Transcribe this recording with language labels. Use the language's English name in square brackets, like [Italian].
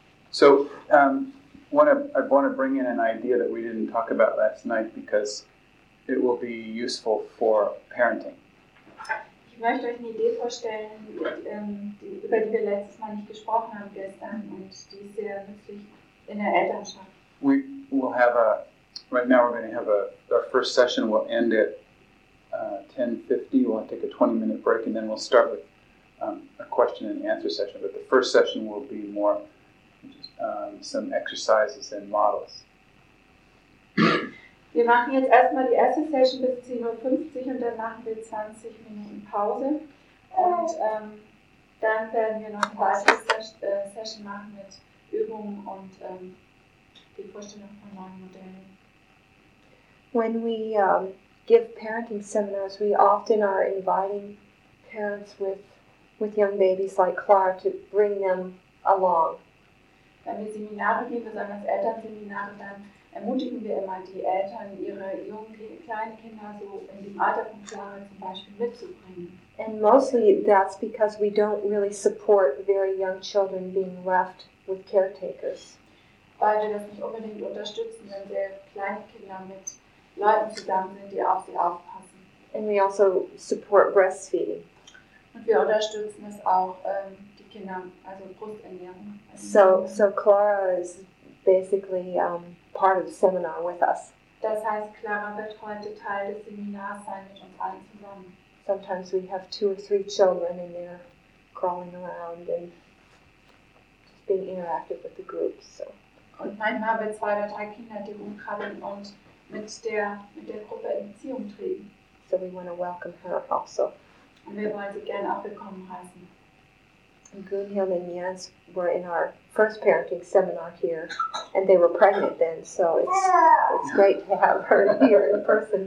[English] So I want to bring in an idea that we didn't talk about last night because it will be useful for parenting. [German] Ich möchte euch eine Idee vorstellen, über die wir letztes Mal nicht gesprochen haben gestern, und die ist sehr nützlich in der Elternschaft. [English] We will have our first session will end at 10:50. We'll take a 20-minute break, and then we'll start with a question and answer session. But the first session will be more some exercises and models. [German] Wir machen jetzt erstmal die erste Session bis 10:50 und dann machen wir 20 Minuten Pause. Und dann werden wir noch eine weitere Session machen mit Übungen und die Vorstellung von neuen Modellen. [English] When we give parenting seminars, we often are inviting parents with young babies like Clara to bring them along. [German] Wenn wir Seminare geben, besonders Elternseminare, dann ermutigen wir immer die Eltern, ihre jungen, kleinen Kinder so in dem Alter von Clara zum Beispiel mitzubringen. [English] And mostly that's because we don't really support very young children being left with caretakers. [German] Weil wir das nicht unbedingt unterstützen, wenn sehr kleine Kinder mit Leuten zusammen sind, die auf sie aufpassen. [English] And we also support breastfeeding. [German] Und wir unterstützen es auch, also Brusternährung. [English] So Clara is basically part of the seminar with us. [German] Das heißt, Clara wird heute Teil des Seminars sein mit uns allen zusammen. [English] Sometimes we have two or three children in there crawling around and just being interactive with the group. So. [German] Und manchmal haben wir zwei oder drei Kinder, die rumkrabbeln und mit der Gruppe in Beziehung treten. [English] So we want to welcome her also. [German] Und wir wollen sie gerne auch willkommen heißen. [English] Gunhild and Jens were in our first parenting seminar here, and they were pregnant then, so it's great to have her here in person.